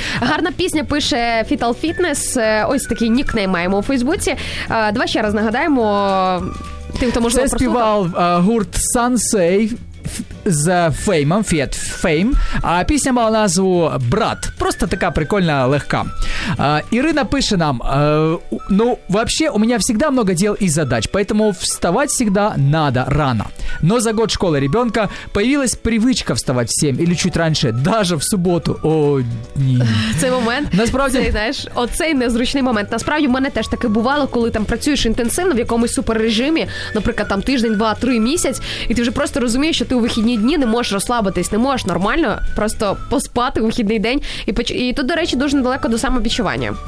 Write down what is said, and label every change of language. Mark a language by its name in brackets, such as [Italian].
[Ukrainian] Гарна пісня пише Fital Fitness, ось такий нікнейм маємо у Фейсбуці. Давай ще раз нагадаємо тим, хто можливо прослухав. Це співав гурт Sunsay з феймом, Fiat Fame, а пісня мала назву «Брат». Просто така прикольна, легка. Ірина пише нам, ну, [Russian] вообще, у меня всегда много дел и задач, поэтому вставать всегда надо рано. Но за год школы ребенка появилась привычка вставать в 7 или чуть раньше, даже в субботу. [Ukrainian] О, ні. Цей момент, насправді, цей, знаєш, оцей незручний момент. Насправді, в мене теж таке бувало, коли там працюєш інтенсивно в якомусь суперрежимі, наприклад, там тиждень, два, три, місяць, і ти вже просто розумієш, що ти у вихідні дні не можеш розслабитись, не можеш нормально просто поспати у вихідний день. І тут, до речі, дуже недалеко до самобічування.